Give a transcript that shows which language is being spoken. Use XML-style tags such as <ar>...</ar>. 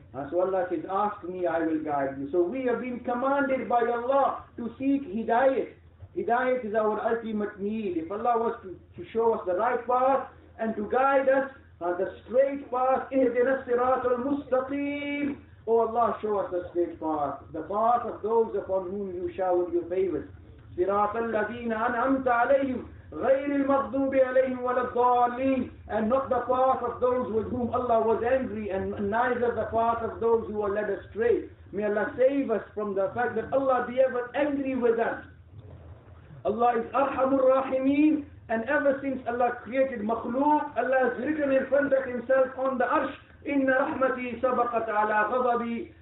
<en>So Allah says, ask me, I will guide you. So we have been commanded by Allah to seek hidayat. Hidayat is our ultimate need. If Allah was to show us the right path and to guide us, the straight path,</en> <ar>اِهْدِنَا الصِّرَاطَ الْمُسْتَقِيمِ.</ar> <en>Oh Allah, show us the straight path, the path of those upon whom you showered your favors.</en> <ar>صِرَاطَ الَّذِينَ أَنْعَمْتَ عَلَيْهِمْ غير المغضوب عليهم ولا الضالين.</ar> <en>And not the path of those with whom Allah was angry, and neither the path of those who were led astray. May Allah save us from the fact that Allah be ever angry with us. Allah is arhamur rahimin, and ever since Allah created makhluq, Allah has written in front of Himself on the arsh,</en> <ar>إِنَّ رَحْمَتِي سَبَقَتْ عَلَى غَضَبِي.</ar>